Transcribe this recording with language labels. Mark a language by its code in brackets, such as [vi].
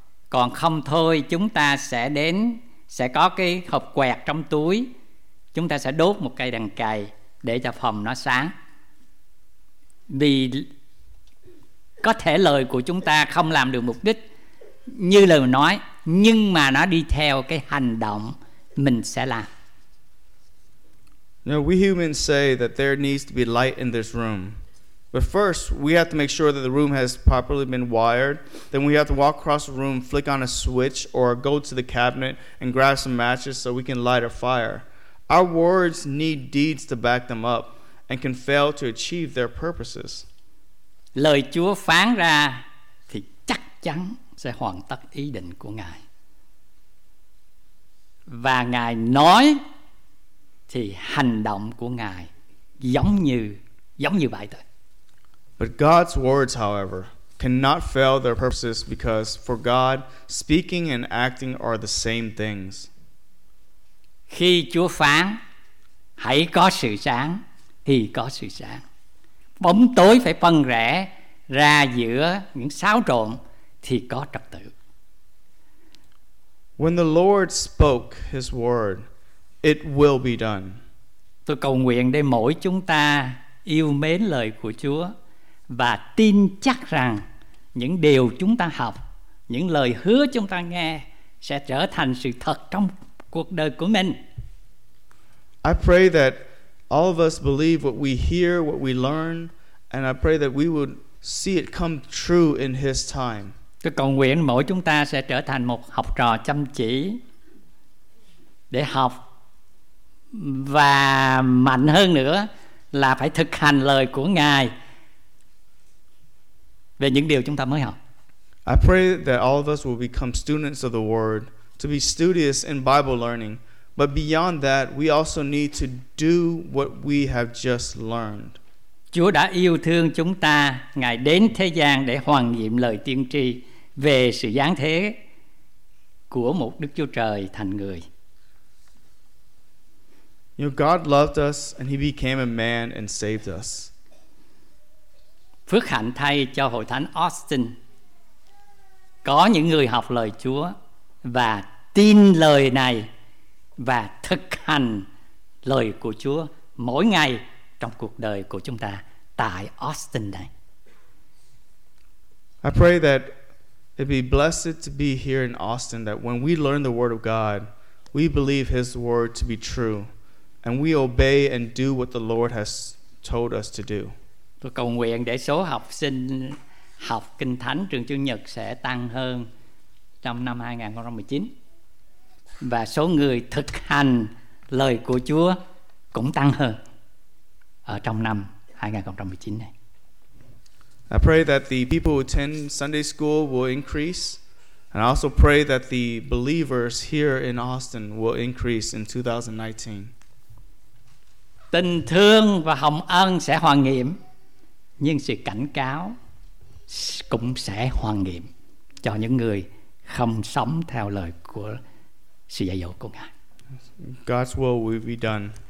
[vi] Còn không thôi, chúng ta sẽ đến, sẽ có cái hộp quẹt trong túi, chúng ta sẽ đốt một cây đèn cầy để cho phòng nó sáng. Vì có thể lời của chúng ta không làm được mục đích như lời mình nói, nhưng mà nó đi theo cái hành động mình sẽ làm. [en] Now, we humans say that there needs to be light in this room. But first, we have to make sure that the room has properly been wired. Then we have to walk across the room, flick on a switch, or go to the cabinet and grab some matches so we can light a fire. Our words need deeds to back them up and can fail to achieve their purposes. [vi] Lời Chúa phán ra thì chắc chắn sẽ hoàn tất ý định của Ngài. Và Ngài nói thì hành động của Ngài giống như vậy thôi. [en] But God's words, however, cannot fail their purposes because for God, speaking and acting are the same things. [vi] Khi Chúa phán, hãy có sự sáng, thì có sự sáng. Bóng tối phải phân rẽ ra giữa những xáo trộn thì có trật tự. [en] When the Lord spoke his word, it will be done. [vi] Tôi cầu nguyện để mỗi chúng ta yêu mến lời của Chúa và tin chắc rằng những điều chúng ta học, những lời hứa chúng ta nghe sẽ trở thành sự thật trong cuộc đời của mình. [en] I pray that all of us believe what we hear, what we learn, and I pray that we would see it come true in his time. [vi] Tôi cầu nguyện mỗi chúng ta sẽ trở thành một học trò chăm chỉ để học và mạnh hơn nữa là phải thực hành lời của Ngài về những điều chúng ta mới học. [en] I pray that all of us will become students of the word, to be studious in Bible learning, but beyond that, we also need to do what we have just learned. [vi] Chúa đã yêu thương chúng ta, Ngài đến thế gian để hoàn nghiệm lời tiên tri về sự giáng thế của một Đức Chúa Trời thành người. [en] You know, God loved us and he became a man and saved us. [vi] Phước hạnh thay cho Hội Thánh Austin có những người học lời Chúa và tin lời này và thực hành lời của Chúa mỗi ngày trong cuộc đời của chúng ta tại Austin này. [en] I pray that it be blessed to be here in Austin, that when we learn the word of God, we believe his word to be true and we obey and do what the Lord has told us to do. [vi] Tôi cầu nguyện để số học sinh học Kinh Thánh trường Chủ Nhật sẽ tăng hơn trong năm 2019 và số người thực hành lời của Chúa cũng tăng hơn ở trong năm 2019 này. [en] I pray that the people who attend Sunday school will increase, and I also pray that the believers here in Austin will increase in 2019. [vi] Tình thương và hồng ân sẽ hoàn nghiệm, nhưng sự cảnh cáo cũng sẽ hoàn nghiệm cho những người không sống theo lời của sự dạy dỗ của Ngài. [en] God's will be done.